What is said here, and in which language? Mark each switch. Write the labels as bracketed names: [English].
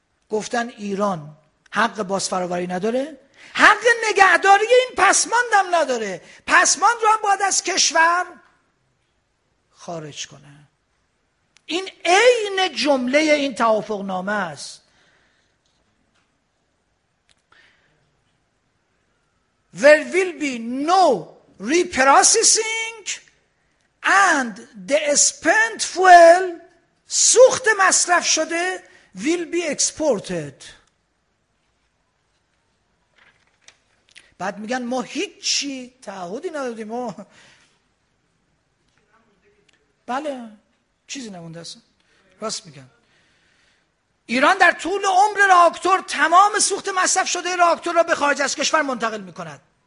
[Persian] گفتن ایران حق بازفراوری نداره، حق نگهداری این پسماند هم نداره، پسماند رو هم باید از کشور خارج کنه. این عین جمله این توافق نامه است. [English] There will be no reprocessing and the spent fuel [Persian] سوخت مصرف شده [English] will be exported. [Persian] بعد میگن ما هیچی تعهدی ندادیم. بله چیزی نمونده است، راست میگن. ایران در طول عمر راکتور تمام سوخت مصرف شده راکتور را به خارج از کشور منتقل میکند.